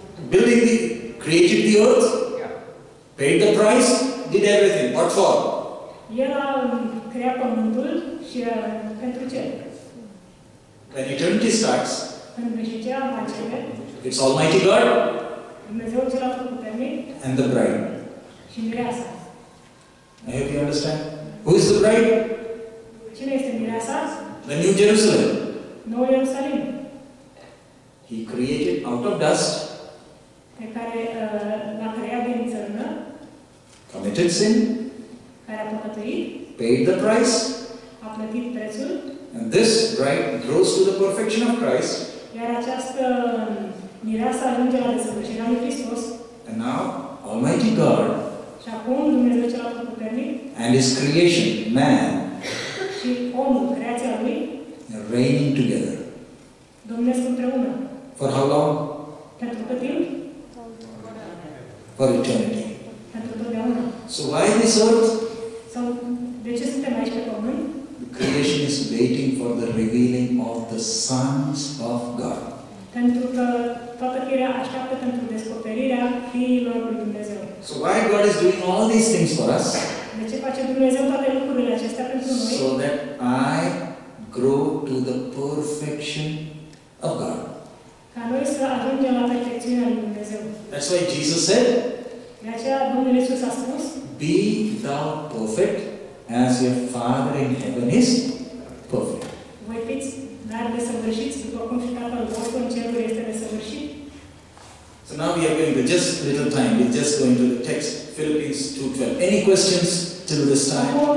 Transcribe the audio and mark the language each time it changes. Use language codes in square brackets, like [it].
[en] Building the, created the earth, yeah. Paid the price, did everything. What for? [ro] El a creat pământul și pentru ce? [en] When eternity starts, [ro] când veșnicia va începe, [en] it's Almighty God, [ro] Dumnezeu cel atotputernic, [en] and the bride, [ro] și mireasa. [en] I hope you understand. Who is the bride? [ro] Cine este mireasa? [en] The New Jerusalem. [ro] Noul Ierusalim. [en] He created out of dust, [ro] pe care l-a creat din țărână, [en] committed sin, [ro] care a păcătuit, [en] paid the price, [ro] a plătit prețul, [en] and this bride grows to the perfection of Christ, [ro] iar această mireasă ajunge la desăvârșirea lui Hristos, [en] and now Almighty God, [ro] și acum Dumnezeu cel atotputernic, [en] and His creation, man, [ro] și omul, creația lui, [en] reigning together. [ro] Domnesc împreună. [en] For how long? [ro] Pentru cât timp? [en] For eternity. [ro] Pentru totdeauna. [en] So why this earth? [ro] Sau de ce suntem aici pe pământ? [en] The creation is waiting for the revealing of the sons of God. [ro] Pentru că toată firea așteaptă pentru descoperirea fiilor lui Dumnezeu. [en] So why God is doing all these things for us? [ro] De ce face Dumnezeu toate lucrurile acestea pentru noi? [en] So that I grow to the perfection of God. [ro] Ca noi să ajungem la perfecțiunea lui Dumnezeu. [en] That's why Jesus said. [ro] De aceea Domnul Iisus a spus. [en] Be thou perfect as your Father in heaven is perfect. [ro] Voi fiți dar desăvârșiți după cum și Tatăl vostru în cerul este desăvârșit. [en] So now we are going to just a little time. We're just going to the text, Philippians 2:12. Any questions till this time?